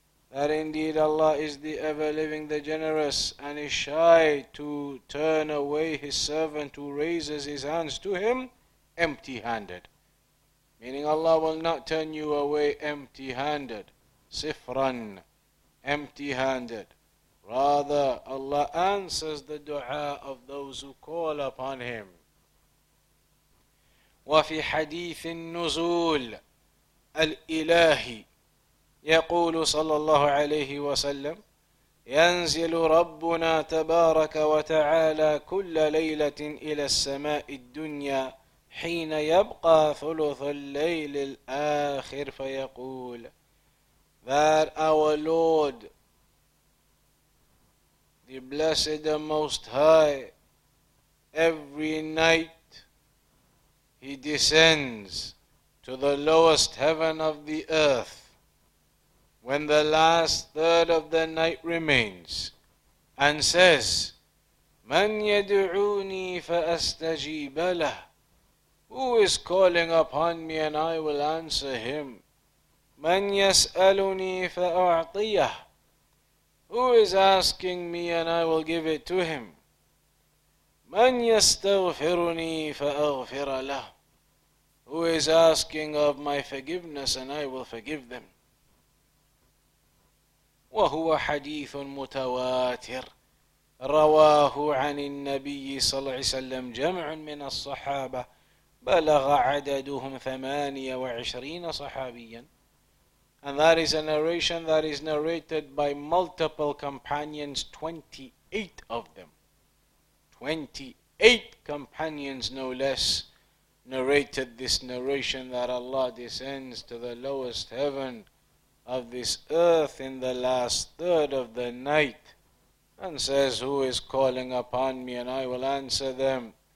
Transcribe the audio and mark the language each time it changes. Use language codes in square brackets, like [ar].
[en] That indeed Allah is the ever-living, the generous, and is shy to turn away His servant who raises his hands to Him empty-handed. Meaning Allah will not turn you away empty-handed. Sifran, empty-handed. Rather, Allah answers the dua of those who call upon Him. [ar] وفي حديث النزول الإلهي يقول صلى الله عليه وسلم ينزل ربنا تبارك وتعالى كل ليلة إلى السماء الدنيا حين يبقى ثلث الليل الآخر فيقول. [en] That our Lord, the Blessed and Most High, every night He descends to the lowest heaven of the earth when the last third of the night remains and says, [ar] Man yadu'uni fa'astajiba lah. [en] Who is calling upon me and I will answer him? [ar] Man yas'aluni fa'u'tiyah. [en] Who is asking me and I will give it to him? [ar] Man yastaghfiruni fa'aghfir lah. [en] Who is asking of my forgiveness and I will forgive them. [ar] وهو حديث متواتر رواه عن النبي صلى الله عليه وسلم جمع من الصحابة بلغ عددهم 28 صحابيا. [en] And that is a narration that is narrated by multiple companions, 28 of them. 28 companions no less narrated this narration that Allah descends to the lowest heaven of this earth in the last third of the night and says, who is calling upon me and I will answer them?